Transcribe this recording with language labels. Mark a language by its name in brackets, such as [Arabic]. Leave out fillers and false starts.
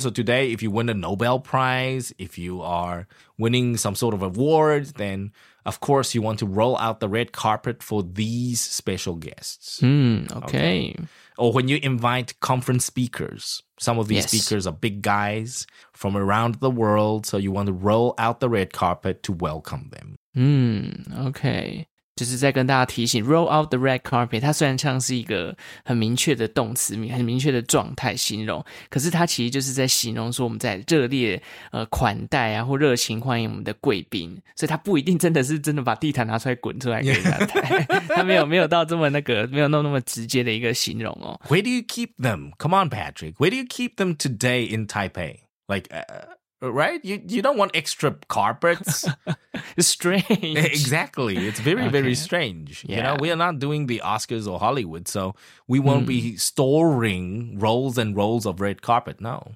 [English] So today, if you win a Nobel Prize, if you are winning some sort of award, then, of course, you want to roll out the red carpet for these special guests. Okay. Or when you invite conference speakers, some of these speakers are big guys from around the world, so you want to roll out the red carpet to welcome them. Okay. [Chinese] 就是在跟大家提醒 [English] roll out the red carpet, [Chinese] 它虽然像是一个很明确的动词，很明确的状态形容，可是它其实就是在形容说我们在热烈款待啊，或热情欢迎我们的贵宾，所以它不一定真的是真的把地毯拿出来滚出来给人家带，它没有到这么那个，没有那么直接的一个形容哦。 [English] Where do you keep them? Come on, Patrick. Where do you keep them today in Taipei? Right? You don't want extra carpets. It's strange. Exactly. It's very, very strange. Yeah. You know, we are not doing the Oscars or Hollywood, so we won't be storing rolls and rolls of red carpet, no.